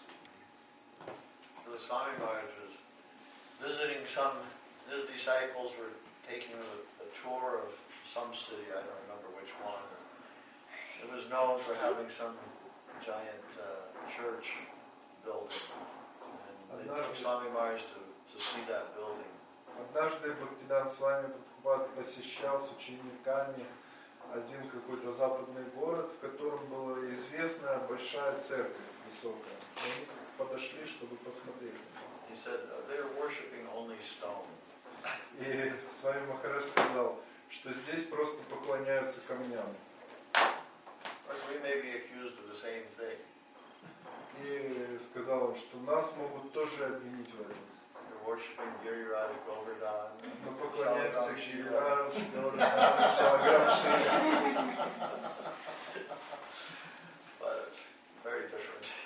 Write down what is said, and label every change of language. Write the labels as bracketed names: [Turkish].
[English] So the Swami Maharaj was visiting some, his disciples were taking a tour of some city, I don't remember which one. It was known for having some giant church building. And they took Swami Maharaj to see that building. [Russian] Однажды Бхактидан Свами Прабхупад посещал с учениками один какой-то западный город, в котором была известная большая церковь высокая. Они подошли, чтобы посмотреть. [English] He said, they are worshiping only stone. [Russian] И Свами Махарадж сказал, что здесь просто поклоняются камням. [English] We may be accused of the same thing. [Russian] И сказал им, что нас могут тоже обвинить в этом. [English] Worshipping Giriraj Govardhan. [Russian] Мы поклоняемся Giriraj Govardhan, Shalagram Shri. [English] But it's very different.